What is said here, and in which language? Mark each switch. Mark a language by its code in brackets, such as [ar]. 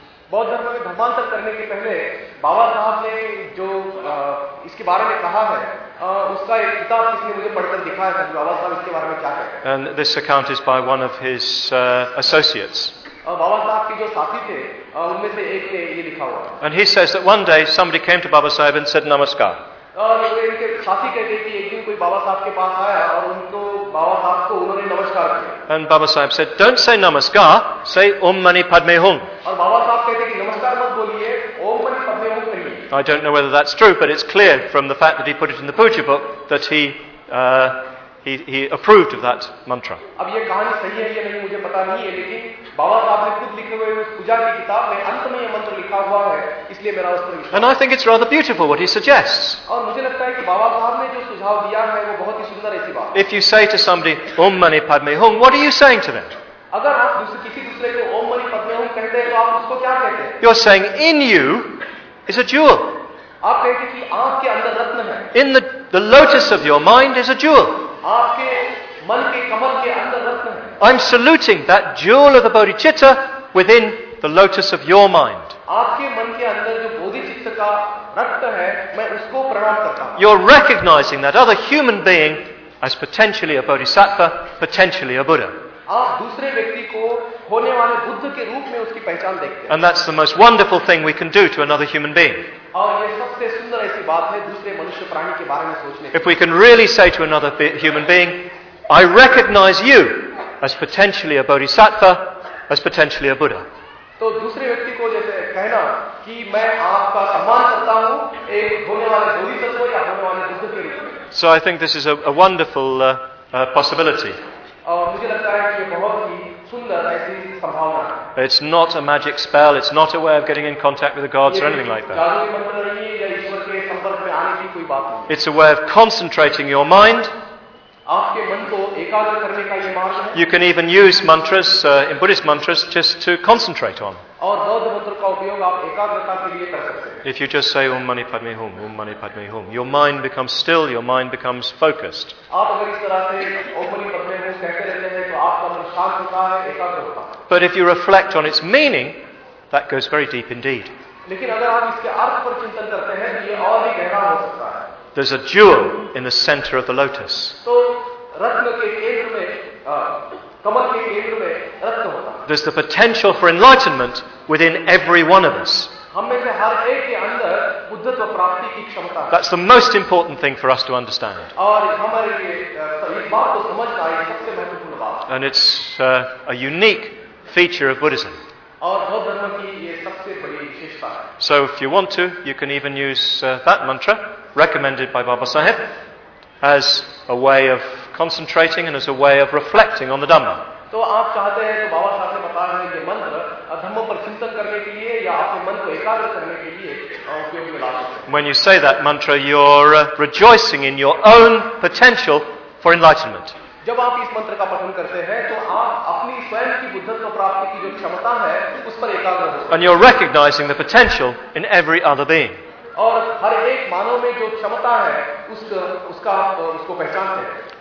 [hi] बौद्ध धर्म में धर्मांतर करने के पहले बाबा साहब ने जो इसके बारे में कहा है उसका एक किताब किसी ने मुझे पढ़कर दिखाया था। बाबा साहब इसके बारे में क्या कहते हैं? [en] And this account is by one of his associates. [hi] बाबा साहब के जो साथी थे उनमें से एक ने ये लिखा हुआ। [en] And he says that one day somebody came to Baba Sahib and said namaskar. [hi] और इनके साथी कहते हैं कि एक दिन कोई बाबा साहब के पास आया और उनको बाबा साहब को उन्होंने नमस्कार किया। [en] And Baba Sahib said, "Don't say namaskar, say Om Mani Padme Hum." [hi] और बाबा साहब कहते हैं कि नमस्कार मत बोलिए, Om Mani Padme Hum कहिए। [en] I don't know whether that's true, but it's clear from the fact that he put it in the puja book that he approved of that mantra. [hi] अब ये कहानी सही है या नहीं मुझे पता नहीं है, लेकिन बाबा साहब ने खुद लिखे हुए पूजा की किताब में अंत में ये मंत्र लिखा हुआ है, इसलिए मेरा उस पर विश्वास। [en] And I think it's rather beautiful what he suggests. [hi] और मुझे लगता है कि बाबा साहब ने जो सुझाव दिया है वो बहुत ही सुंदर ऐसी बात। [en] If you say to somebody Om Mani Padme Hum, what are you saying to them? [hi] अगर आप किसी दूसरे को Om Mani Padme Hum कहते हैं तो आप उसको क्या कहते हैं? [en] You're saying in you is a jewel. [hi] आप कहते हैं कि आपके अंदर रत्न है। [en] In the lotus of your mind is a jewel. [hi] आपके मन के कमल के अंदर रत्न है। [en] I'm saluting that jewel of the bodhicitta within the lotus of your mind. [hi] आपके मन के अंदर जो बोधिचित्त का रक्त है, मैं उसको प्रणाम करता हूँ। [en] You're recognizing that other human being as potentially a bodhisattva, potentially a Buddha. [hi] आप दूसरे व्यक्ति को होने वाले बुद्ध के रूप में उसकी पहचान देखते हैं। [en] And that's the most wonderful thing we can do to another human being. [hi] और ये सबसे सुंदर ऐसी बात है दूसरे मनुष्य प्राणी के बारे में सोचने। [en] If we can really say to another human being, I recognize you as potentially a bodhisattva, as potentially a Buddha. [hi] तो दूसरे व्यक्ति को जैसे कहना कि मैं आपका सम्मान करता हूँ एक होने वाले बोधिसत्व या होने वाले बुद्ध के रूप में। [en] So I think this is a wonderful possibility. [hi] मुझे लगता है कि बहुत ही सुंदर ऐसी संभावना। [en] It's not a magic spell. It's not a way of getting in contact with the gods or anything like that. [hi] जादू की मंत्र नहीं है या ईश्वर के संपर्क में आने की कोई बात नहीं। [en] It's a way of concentrating your mind. [hi] आपके मन को एकाग्र करने का ये मार्ग है। [en] You can even use mantras in Buddhist mantras just to concentrate on. [hi] और बौद्ध मंत्र का उपयोग आप एकाग्रता के लिए कर सकते हैं। [en] If you just say Om Mani Padme Hum, Om Mani Padme Hum, your mind becomes still, your mind becomes focused. [hi] आप अगर इस तरह से Om Mani Padme Hum कहते रहते हैं तो आपका मन शांत होता है, एकाग्र होता है। [en] But if you reflect on its meaning, that goes very deep indeed. [hi] लेकिन अगर आप इसके अर्थ पर चिंतन करते हैं तो ये और भी गहरा हो सकता है। [en] There's a jewel in the center of the lotus. [hi] तो रत्न के केंद्र में, कमल के केंद्र में रत्न होता है। [en] There's the potential for enlightenment within every one of us. [hi] हम में से हर एक के अंदर बुद्धत्व प्राप्ति की क्षमता है। [en] That's the most important thing for us to understand. [hi] और हमारे लिए इस बात को समझना ये सबसे महत्वपूर्ण बात। [en] And it's a unique feature of Buddhism. [hi] और बौद्ध धर्म की ये सबसे बड़ी विशेषता है। विशेषता है. [en] So if you want to, you can even use that mantra recommended by Baba Sahib as a way of concentrating and as a way of reflecting on the Dhamma. [hi] तो आप चाहते हैं तो बाबा साहब ने बता रहे हैं कि मंत्र अधर्म पर चिंतन करने के लिए या आपके मन को एकाग्र करने के लिए उपयोग में ला सकते हैं. [en] When you say that mantra, you're rejoicing in your own potential for enlightenment. [hi] जब आप इस मंत्र का पठन करते हैं तो आप अपनी स्वयं की बुद्धत्व प्राप्ति की जो क्षमता है उस पर एकाग्र होते हैं. [en] And you're recognizing the potential in every other being. [hi] और हर एक मानव में जो क्षमता है उसका उसको पहचानते हैं.